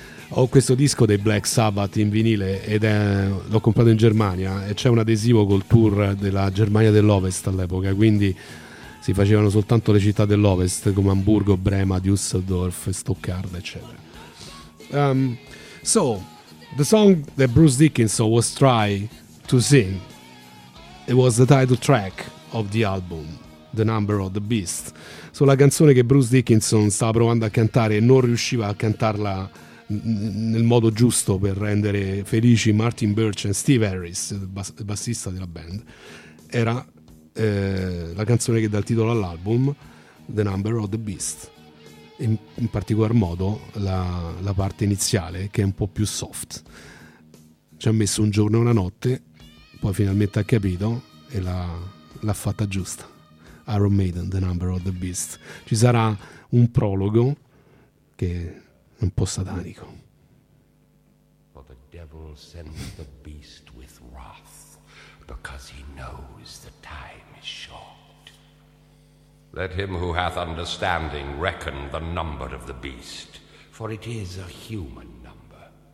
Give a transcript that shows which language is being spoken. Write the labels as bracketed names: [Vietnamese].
[Italian] Ho questo disco dei Black Sabbath in vinile ed l'ho comprato in Germania e c'è un adesivo col tour della Germania dell'Ovest all'epoca, quindi si facevano soltanto le città dell'Ovest come Hamburgo, Brema, Düsseldorf, Stuttgart, eccetera. [English] So, the song that Bruce Dickinson was trying to sing, it was the title track of the album, The Number of the Beast. [Italian] So la canzone che Bruce Dickinson stava provando a cantare e non riusciva a cantarla nel modo giusto per rendere felici Martin Birch e Steve Harris, il bassista della band, era la canzone che dà il titolo all'album, The Number of the Beast, in particolar modo la parte iniziale, che è un po' più soft. Ci ha messo un giorno e una notte, poi finalmente ha capito e l'ha fatta giusta. Iron Maiden, The Number of the Beast. Ci sarà un prologo che un po' satanico. [English] For the devil sent the beast with wrath, because he knows the time is short. Let him who hath understanding reckon the number of the beast, for it is a human number.